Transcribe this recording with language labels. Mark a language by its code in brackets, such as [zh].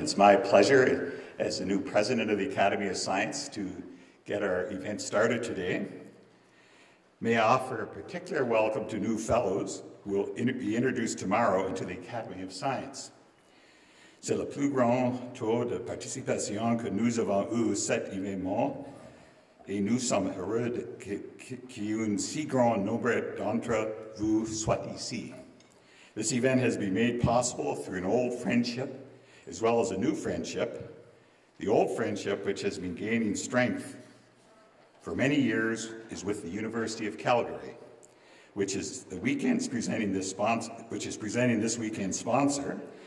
[en] It's my pleasure as the new president of the Academy of Science to get our event started today. May I offer a particular welcome to new fellows who will be introduced tomorrow into the Academy of Science. [fr] C'est le plus grand tour de participation que nous avons eu cet événement, et nous sommes heureux qu'un si grand nombre d'entre vous soit ici. [en] This event has been made possible through an old friendship, as well as a new friendship, the old friendship which has been gaining strength for many years is with the University of Calgary, which is presenting this weekend's sponsor.